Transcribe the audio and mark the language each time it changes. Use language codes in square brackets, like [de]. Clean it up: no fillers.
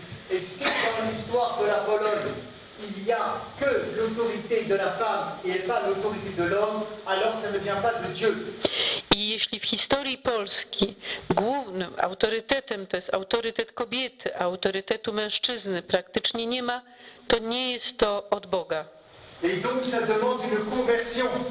[fr] Et si dans l'histoire de la Pologne, il n'y a que l'autorité de la femme et pas l'autorité de l'homme, alors ça ne vient pas de Dieu. [pl] I jeśli w historii Polski głównym autorytetem to jest autorytet kobiety, a autorytetu mężczyzny praktycznie nie ma, to nie jest to od Boga. [fr] Et donc ça demande une conversion.